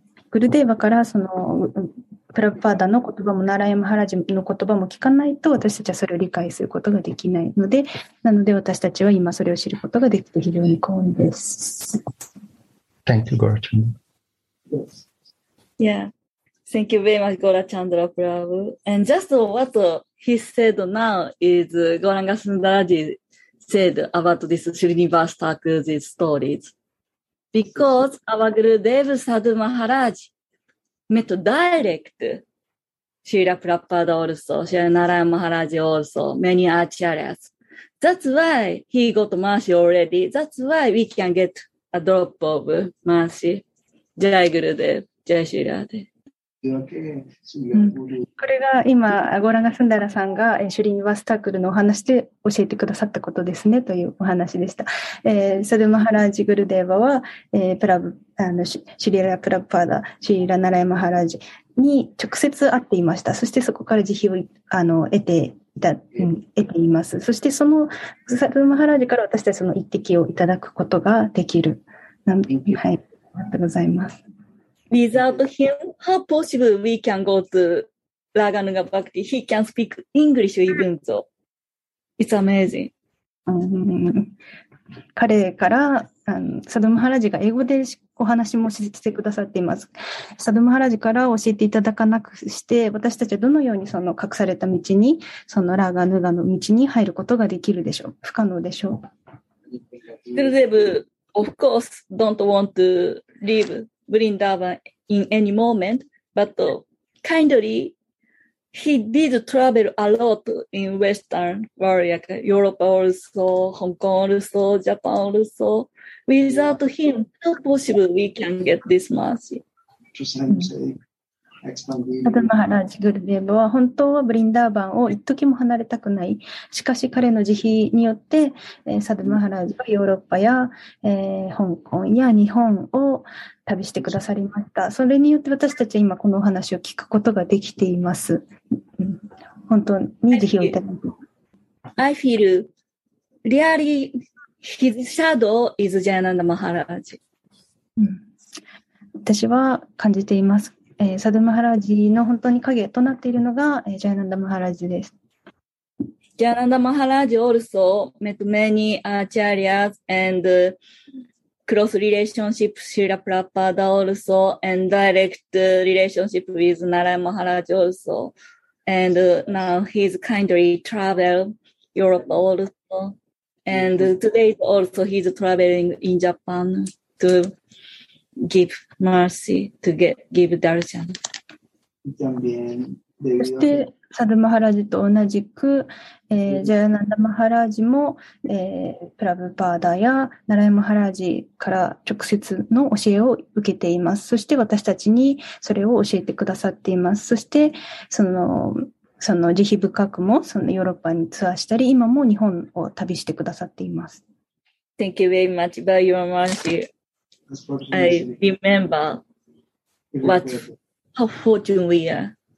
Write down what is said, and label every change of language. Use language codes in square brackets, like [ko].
[ja] グルデーバからそのプラヴパーダの言葉もナラヤン・マハラジの言葉も聞かないと私たちはそれを理解することができないので、なので私たちは今それを知ることができて非常に幸運です。 [en] Thank you, Gaura Chandra. Yeah, thank you very much, Gaura Chandra Prabhu. And just what he said now is Gauranga Sundaraji said about this Srinivas Thakur's stories. Because our Gurudev Sadhu Maharaj met direct Srila Prabhupada also, Srila Narayan Maharaj also, many acharyas. That's why he got mercy already. That's why we can get a drop of mercy. Jai Gurudev, Jai Srila Dev. [ja] これが今ゴーランガ・スンダラさんがシュリニ・ワスタークルのお話で教えてくださったことですねというお話でした、サドゥ・マハラージ・グルデーバは、シュリラ・プラブパーダ、シュリラ・ナラヤ・マハラージに直接会っていました。そしてそこから慈悲をあの得ています。そしてそのサドゥ・マハラージから私たちその一滴をいただくことができる。はい、ありがとうございます。 [en] Without him, how possible we can go to Raganuga Bhakti? He can speak English even though. It's amazing. [ja] 彼からサドムハラジが英語でお話もしてくださっています。サドムハラジから教えていただかなくして、私たちはどのようにその隠された道に、そのラーガヌーガの道に入ることができるでしょう、不可能でしょう。 [en] グルデブ、 of course don't want to leave Vrindavan in any moment, but kindly he did travel a lot in Western world, like Europe also, Hong Kong also, Japan also. Without him, how possible we can get this mercy? [ja] サドマハラジ・グルデーブは本当はブリンダーバンを一時も離れたくない、しかし彼の慈悲によってサドマハラジはヨーロッパや、香港や日本を旅してくださりました。それによって私たちは今このお話を聞くことができています。本当に慈悲をいただきます。 [en] I feel really his shadow is Jayananda Maharaj. [ja] 私は感じています、サドムハラジの本当に影となっているのがジャイナンダマハラジです。 [en] ジャイナンダマハラジ also met many acharyas and close relationship Srila Prabhupada also and direct relationship with Narayana Maharaj also and now he's kindly travel Europe also and today also he's traveling in Japan to give mercy to give darshan. [ja] そしてサドマハラジと同じく、ジャヤナンダマハラジも、プラブパーダやナラヤマハラジから直接の教えを受けています。そして私たちにそれを教えてくださっています。そしてその慈悲深くもそのヨーロッパにツアーしたり、今も日本を旅してくださっています。 [en] Thank you very much for your mercyI remember what how fortune we are.、